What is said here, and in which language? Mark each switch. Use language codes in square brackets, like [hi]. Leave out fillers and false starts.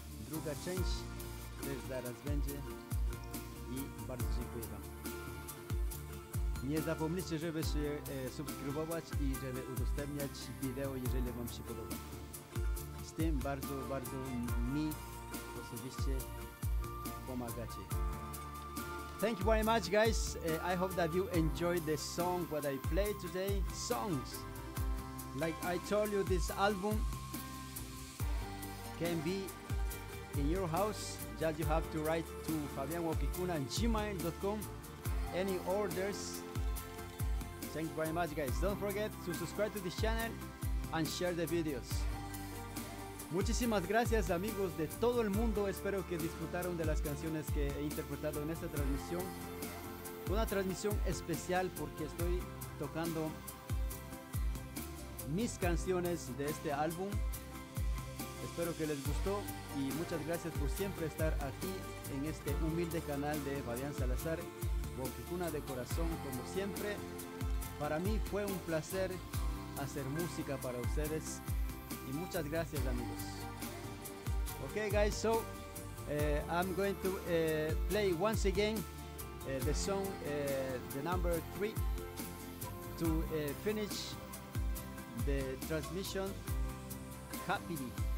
[pl] Druga część też zaraz będzie i bardzo dziękuję wam. Nie zapomnijcie, żeby się subskrybować i żeby udostępniać wideo, jeżeli wam się podoba. Z tym bardzo, bardzo mi osobiście pomagacie. [en] Thank you very much, guys. I hope that you enjoyed the song what I played today. Songs, like I told you, this album can be in your house. Just you have to write to fabianwokikuna@gmail.com any orders. Thank you very much, guys. Don't forget to subscribe to this channel and share the videos. [es] Muchísimas gracias, amigos de todo el mundo. Espero que disfrutaron de las canciones que he interpretado en esta transmisión. Una transmisión especial porque estoy tocando mis canciones de este álbum. Espero que les gustó y muchas gracias por siempre estar aquí en este humilde canal de Fabián Salazar, Wokikuna de corazón, como siempre. Para mí fue un placer hacer música para ustedes y muchas gracias, amigos. [en] Okay, guys, so I'm going to play once again the song, the number 3, to finish the transmission happily.